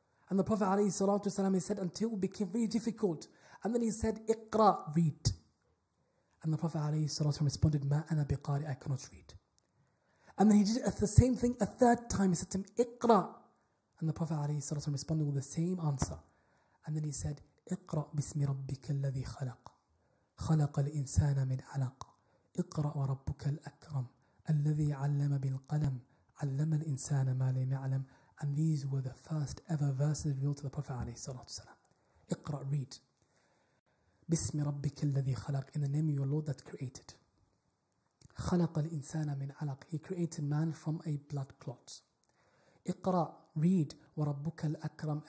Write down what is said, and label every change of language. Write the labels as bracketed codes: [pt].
[en] And the Prophet ﷺ, he said, until it became very difficult. And then he said, "Iqra," read. And the Prophet ﷺ responded, "Ma ana biqari," I cannot read. And then he did the same thing a third time. He said to him, "Iqra," and the Prophet ﷺ responded with the same answer. And then he said, [ar] اقرأ باسم ربك الذي خلق خلق الإنسان من علق اقرأ وربك الأكرم الذي علم بالقلم علم الإنسان ما لم يعلم [en] And these were the first ever verses revealed to the Prophet ﷺ. [ar] Iqra', [en] read. [ar] بِسْمِ رَبِّكَ الَّذِي خَلَقْ. [en] In the name of your Lord that created. [ar] خَلَقَ الْإِنسَانَ مِنْ عَلَقْ. [en] He created man from a blood clot. [ar] Iqra', [en] read. [ar] وَرَبُّكَ الْأَكْرَمْ.